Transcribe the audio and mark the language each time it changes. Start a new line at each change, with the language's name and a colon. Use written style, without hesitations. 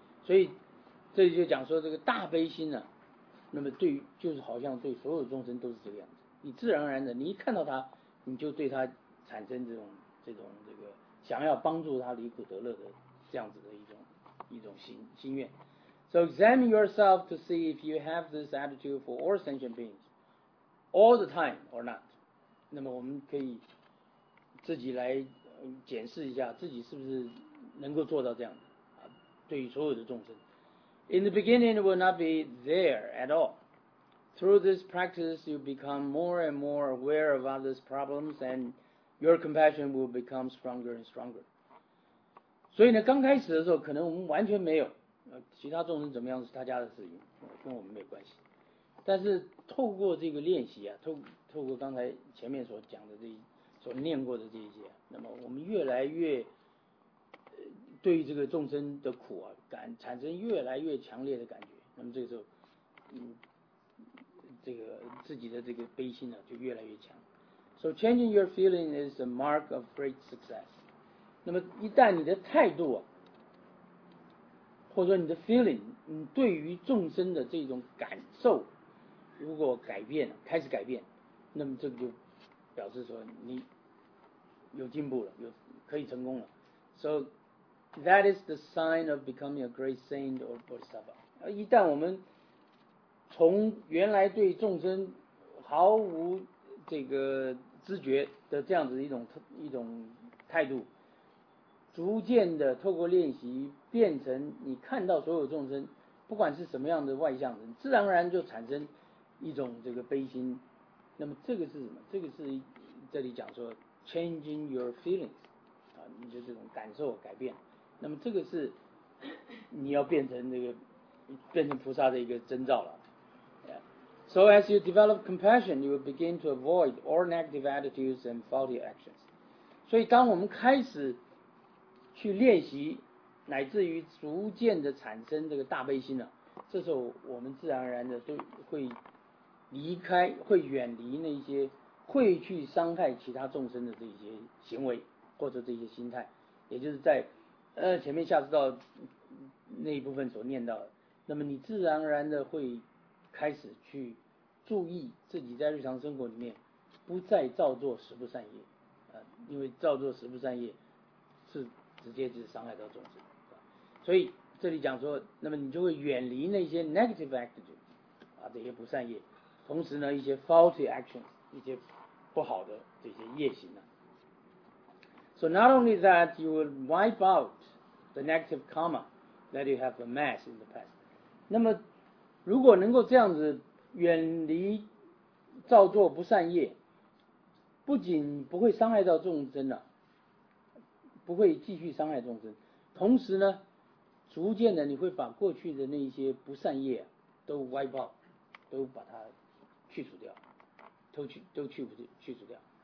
Chinese: 所以这里就讲说这个大悲心呢、啊，那么对于就是好像对所有众生都是这个样子。你自然而然的，你一看到他，你就对他产生这种这个想要帮助他离苦得乐的这样子的一种心愿。
English: So examine yourself to see if you have this attitude for all sentient beings, all the time or not.
Chinese: 那么我们可以自己来检视一下自己是不是能够做到这样的啊，对于所有的众生。
English: In the beginning, it will not be there at all. Through this practice, you become more and more aware of others' problems, and your compassion will become stronger and stronger.
Chinese: 所以呢，刚开始的时候，可能我们完全没有。其他众生怎么样是他家的事情，跟我们没有关系。但是透过这个练习啊，透过刚才前面所讲的这所念过的这一些，那么我们越来越对于这个众生的苦啊，产生越来越强烈的感觉。那么这个时候，这个自己的这个悲心呢、啊，就越来越强。
English: So changing your feeling is a mark of great success。
Chinese: 那么一旦你的态度啊，或者说你的 feeling， 你对于众生的这种感受，如果改变了，开始改变，那么这个就表示说你有进步了，可以成功了。
English: So that is the sign of becoming a great saint or bodhisattva。
Chinese: 一旦我们从原来对众生毫无这个知觉的这样子一种态度，逐渐的透过练习变成你看到所有众生不管是什么样的外向人，自然而然就产生一种这个悲心。那么这个是什么？这个是这里讲说
English: changing your feelings
Chinese: 啊，你的这种感受改变，那么这个是你要变成菩萨的一个征兆了、yeah.
English: So as you develop compassion, you will begin to avoid all negative attitudes and faulty actions。
Chinese: 所以当我们开始去练习，乃至于逐渐的产生这个大悲心了，这时候我们自然而然的都会离开，会远离那些会去伤害其他众生的这些行为或者这些心态，也就是在前面下知道那一部分所念到的。那么你自然而然的会开始去注意自己在日常生活里面不再造作十不善业，因为造作十不善业是直接就是伤害到众生，所以这里讲说，那么你就会远离那些
English: negative attitudes
Chinese: 啊，这些不善业，同时呢一些
English: faulty actions，
Chinese: 一些不好的这些业行呢。
English: So not only that, you will wipe out the negative karma that you have amassed in the past.
Chinese: 那么，如果能够这样子远离造作不善业，不仅不会伤害到众生了、不会继续伤害众生，同时呢，逐渐的你会把过去的那些不善业、都
English: wipe out，
Chinese: 都把它去除掉，都去除掉。